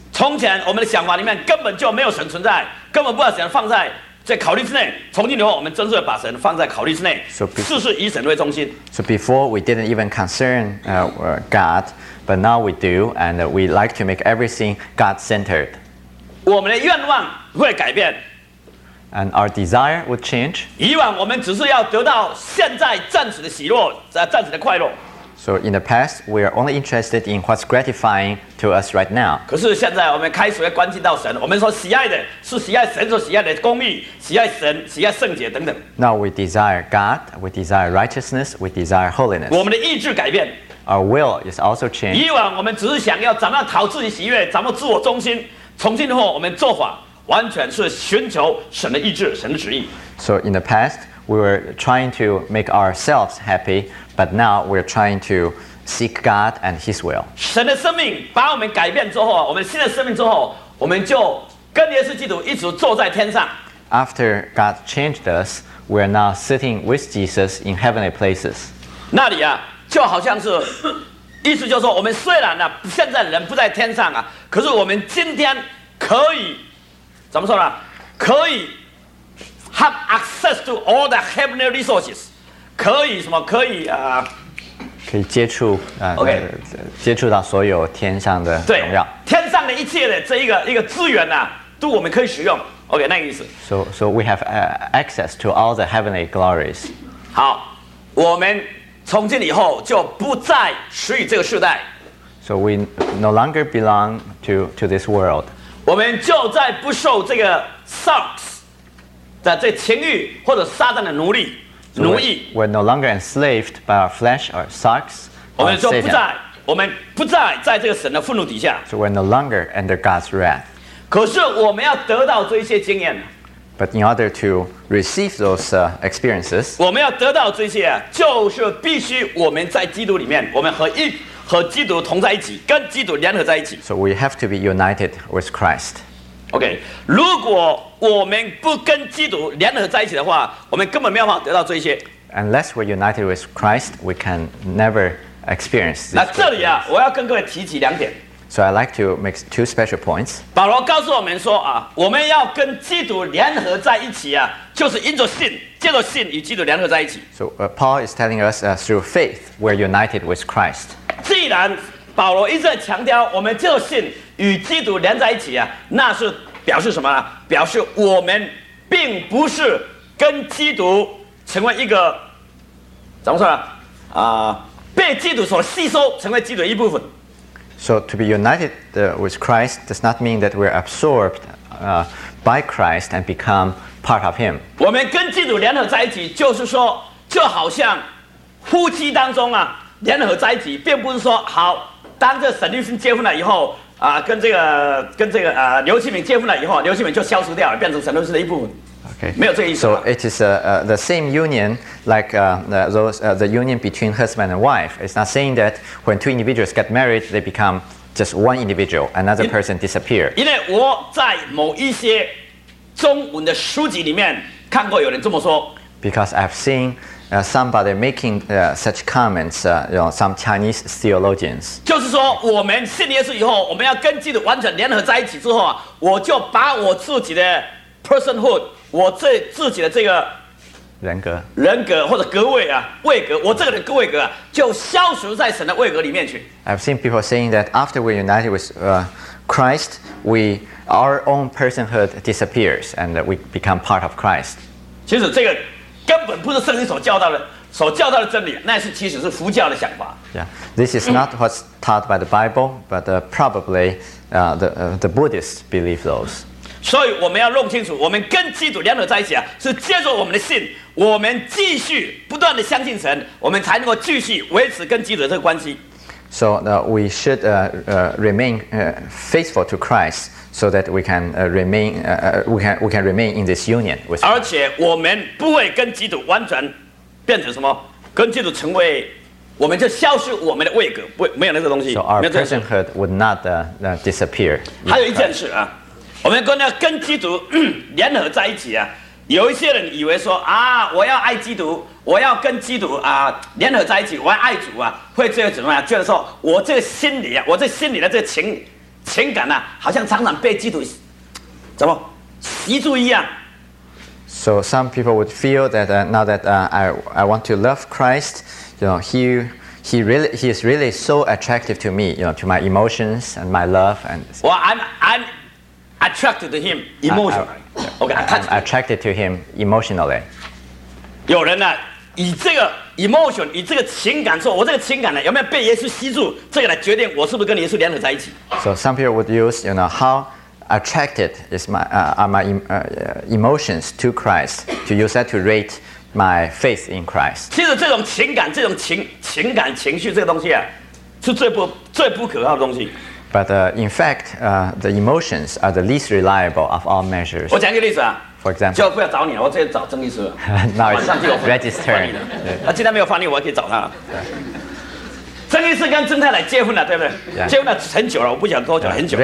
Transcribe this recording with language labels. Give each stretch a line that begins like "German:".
Chinese: 从前我们的想法里面根本就没有神存在，根本不把神放在在考虑之内。从今以后，我们真是把神放在考虑之内，事事以神为中心。
English: So before we didn't even concern God, but now we do, and we like to make everything God-centered.
Chinese: 我们的愿望会改变。
English: And our desire would change.
Chinese: 以往我们只是要得到现在暂时的喜乐，暂时的快乐。
English: So in the past, we are only interested in what's gratifying to us right now.
Chinese: 可是现在我们开始会关心到神，我们说喜爱的是喜爱神所喜爱的公义，喜爱神，喜爱圣洁等等。
English: Now we desire God, we desire righteousness, we desire holiness.
Chinese: 我们的意志改变。
English: Our will is also changed.
Chinese: 以往我们只是想要怎么讨自己喜悦，怎么自我中心。从今以后，我们做法完全是寻求神的意志，神的旨意。
English: So in the past, we were trying to make ourselves happy. But now we're trying to seek God and His will.
Chinese: 神的生命把我们改变之后，我们新的生命之后，我们就跟耶稣基督一直坐在天上。
English: After God changed us, we're now sitting with Jesus in heavenly places.
Chinese: 那里啊，就好像是，意思就是说，我们虽然呢、啊，现在人不在天上啊，可是我们今天可以怎么说呢？可以
English: have access to all the heavenly resources.
Chinese: 可以什么？可以啊、可以接触啊、
English: okay.
Chinese: 接触到所有天上的荣耀，对天上的一切的这一个资源呐、啊，都我们可以使用。 OK， 那个意思。
English: So we have access to all the heavenly glories.
Chinese: 好，我们从今以后就不再属于这个世代。
English: So we no longer belong to this world.
Chinese: 我们就再不受这个 sucks 的这情欲或者撒旦的奴隶。
English: So、we're no longer enslaved by our flesh, our sucks, or Satan.
Chinese: 我们不再在这个神的愤怒底下。
English: So we're no longer under God's wrath.
Chinese: 可是我们要得到这些经验。
English: But in order to receive those experiences,
Chinese: 我们要得到这些，就是必须我们在基督里面，我们和基督同在一起，跟基督联合在一起。
English: So we have to be united with Christ.
Chinese: OK， 如果我们不跟基督联合在一起的话，我们根本没有办法得到这些。
English: Unless we're united with Christ, we can never experience this.
Chinese: 那这里啊，我要跟各位提起两点。
English: So I like to make two special points.
Chinese: 保罗告诉我们说啊，我们要跟基督联合在一起啊，就是因着信，借着信与基督联合在一起。 So Paul is telling us through faith we're united with Christ. 既然保罗一直在强调我们借着信。与基督连在一起啊，那是表示什么呢？表示我们并不是跟基督成为一个怎么说呢？被基督所吸收，成为基督的一部分。
English: So to be united with Christ does not mean that we're absorbed by Christ and become part of Him.
Chinese: 我们跟基督联合在一起，就是说，就好像夫妻当中啊联合在一起，并不是说好，当这神律师结婚了以后。啊、跟这个刘启明结婚了以后，刘启明就消失掉了，变成神律师的一部分。
English: Okay.
Chinese: 没有这个意思。
English: So it is the same union like the union between husband and wife. It's not saying that when two individuals get married, they become just one individual, another person disappear.
Chinese: 因为我在某一些中文的书籍里面看过有人这么说。
English: Because I've seen somebody making such comments, you know, some Chinese theologians.
Chinese: 就是说，我们信耶稣以后，我们要跟基督完全联合在一起之后啊，我就把我自己的 personhood, 我自己的这个人格或者格位啊位格，我这个人格位格、啊、就消失在神的位格里面去。
English: I've seen people saying that after we're united with Christ, our own personhood disappears and we become part of Christ.
Chinese: 其实这个。根本不是圣经所教导的真理，那是其实是佛教的想法。
English: Yeah, this is not what's taught by the Bible, but probably the Buddhists believe those.
Chinese: 所以我们要弄清楚，我们跟基督联合在一起啊，是借着我们的信，我们继续不断的相信神，我们才能够继续维持跟基督的这个关系。
English: So we should remain faithful to Christ, so that we can remain we can remain in this union with
Chinese: Christ. 而且我们不会跟基督完全变成什么，跟基督成为，我们就消失我们的位格，不没有那个东西。
English: So our personhood would not disappear.
Chinese: 还有一件事啊，我们跟基督联合在一起啊，有一些人以为说啊，我要爱基督，我要跟基督啊联合在一起，我要爱主啊，会觉得怎么样？觉得说我这个心里啊，我这心里的这个情感啊，好像常常被基督怎么吸住一样。
English: So some people would feel that now that I want to love Christ, you know, he is really so attractive to me, you know, to my emotions and my love and. Well, I'm attracted to him emotionally. I'm attracted to him emotionally.
Chinese: 有人呢、啊，以这个 emotion， 以这个情感说，我这个情感呢，有没有被耶稣吸住？这个来决定我是不是跟耶稣联合在一起。
English: So some people would use, you know, how attracted is my emotions to Christ to use that to rate my faith in Christ.
Chinese: 其实这种情感、这种情感情绪这个东西啊，是最不可靠的东西。
English: But in fact, the emotions are the least reliable of all measures.
Chinese: 我讲一个例子啊。
English: For example,
Chinese: 教父要找你，我直接找曾医师。
English: Now it's registered.
Chinese: 他今天没有翻译，我可以找他。曾医师跟曾太太结婚了，对不对？
English: Yeah.
Chinese: 结婚了很久了，我不想多久， yeah. 很久了。